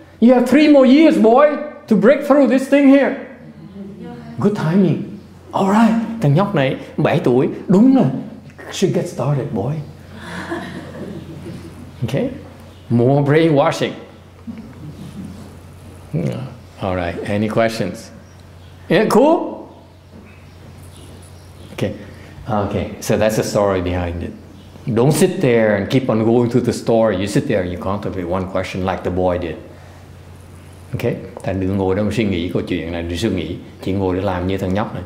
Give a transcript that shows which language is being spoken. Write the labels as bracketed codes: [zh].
[en] You have 3 more years, boy, to break through this thing here. Good timing. All right. [vi] Thằng nhóc này 7 tuổi, đúng rồi. [en] Should get started, boy. Okay? More brainwashing. All right. Any questions? Yeah, cool? Okay. So that's the story behind it. Don't sit there and keep on going through the story. You sit there and you contemplate one question like the boy did. Okay? [vi] Thầy đừng ngồi đó mà suy nghĩ câu chuyện này. Đừng suy nghĩ. Chỉ ngồi để làm như thằng nhóc này.